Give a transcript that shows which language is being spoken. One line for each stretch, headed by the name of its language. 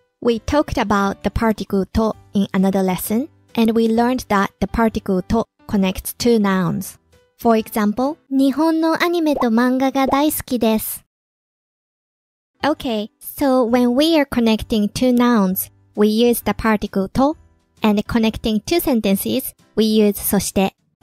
English: We talked about the particle to in another lesson, and we learned that the particle to connects two nouns. For example,
Japanese: 日本のアニメと漫画が大好きです。
English: Okay, so when we are connecting two nouns, we use the particle to, and connecting two sentences, we use そして。